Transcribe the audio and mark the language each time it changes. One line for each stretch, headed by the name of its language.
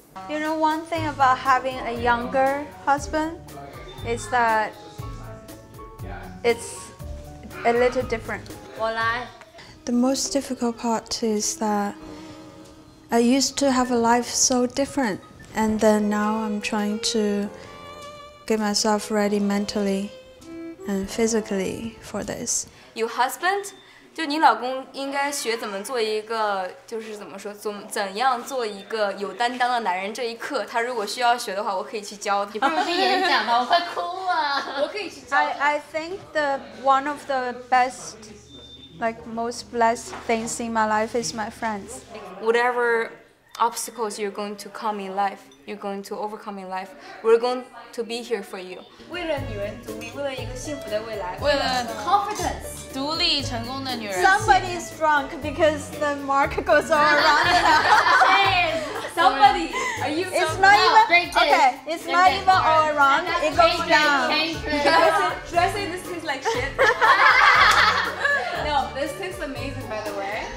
English: You know, one thing about having a younger husband is that it's a little different. The most difficult part is that I used to have a life so different, and then now I'm trying to get myself ready mentally and physically for this. Your husband?
Chinese: 就你老公应该学怎么做一个，就是怎么说，怎样做一个有担当的男人。这一课，他如果需要学的话，我可以去教他。你不如去演讲吧，我快哭了。我可以去教他。
English: I think the one of the best, like most blessed things in my life is my friends. Whatever obstacles you're going to come in life, you're going to overcome in life. We're going to be here for you.
Chinese: 为了女人独立，为了一个幸福的未来，为了
English: confidence.
Chinese: 独立成功的女人。
English: Somebody is drunk because the mark goes all around. Somebody, are you? It's not even okay. It's not even all around. It goes down. Should I say this tastes like shit? No, this tastes amazing, by the way.